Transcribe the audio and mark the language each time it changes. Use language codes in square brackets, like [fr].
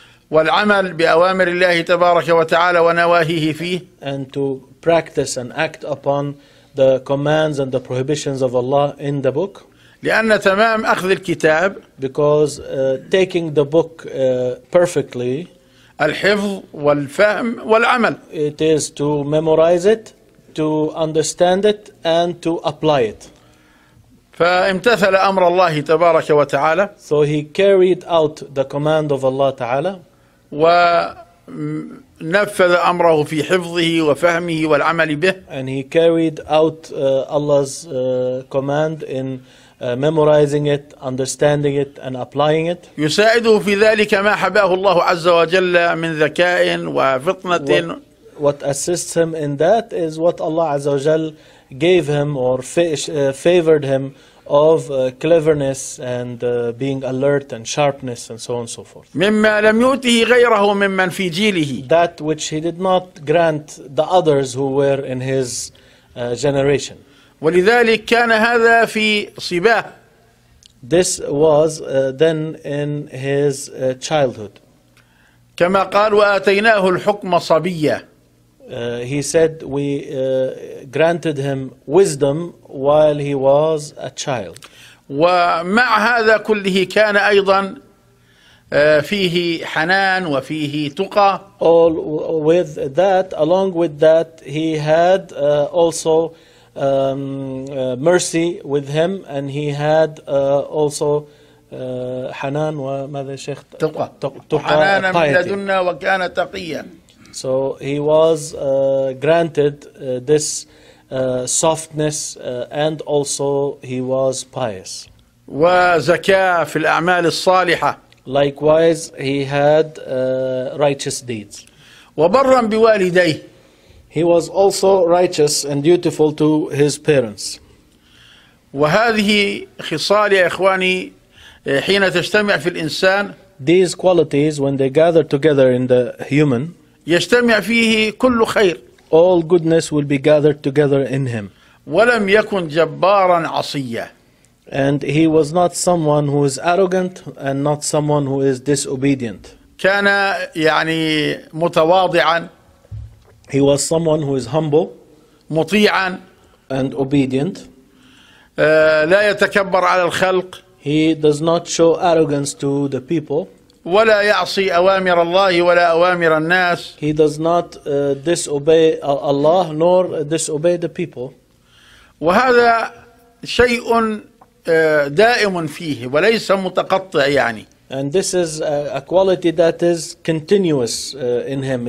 [ar] والعمل بأوامر الله تبارك وتعالى ونواهيه فيه [en] and to practice and act upon the commands and the prohibitions of Allah in the book [ar] لأن تمام أخذ الكتاب [en] because taking the book perfectly [ar] الحفظ والفهم والعمل. [en] It is to memorize it, to understand it, and to apply it. [ar] فامتثل أمر الله تبارك وتعالى. [en] So he carried out the command of Allah تعالى. [ar] ونفذ أمره في حفظه وفهمه والعمل به. [en] And he carried out Allah's command in memorizing it, understanding it, and applying it. [ar] يساعده في ذلك ما حباه الله عز وجل من ذكاء وفطنة. [en] What assists him in that is what Allah [ar] عز وجل [en] gave him or favored him of cleverness and being alert and sharpness and so on and so forth. [ar] مما لم يؤته غيره ممن في جيله. [en] That which he did not grant the others who were in his generation. [ar] ولذلك كان هذا في صباه. [en] This was then in his childhood. [ar] كما قال وآتيناه الحكم صبيا. [en] He said we granted him wisdom while he was a child. [ar] ومع هذا كله كان أيضا فيه حنان وفيه تقى. [en] All with that, along with that, he had also mercy with him, and he had also [ar] حنان وماذا شيخ حنان من لدنا وكان تقيا. [en] So he was granted this softness and also he was pious. [ar] وزكاة في الأعمال الصالحة. [en] Likewise he had righteous deeds. [ar] وبرا بوالديه. [en] He was also righteous and dutiful to his parents. [ar] وهذه خصال يا إخواني حين تجتمع في الإنسان. [en] These qualities when they gather together in the human. [ar] يجتمع فيه كل خير. [en] All goodness will be gathered together in him. [ar] ولم يكن جبارا عصيا. [en] And he was not someone who is arrogant and not someone who is disobedient. [ar] كان يعني متواضعا. [en] He was someone who is humble, [ar] مطيعا, [en] and obedient. [ar] لا يتكبر على الخلق. [en] He does not show arrogance to the people. [ar] ولا يعصي أوامر الله ولا أوامر الناس. [en] He does not disobey Allah nor disobey the people. [ar] وهذا شيء دائم فيه وليس متقطع يعني. [en] And this is a quality that is continuous in him.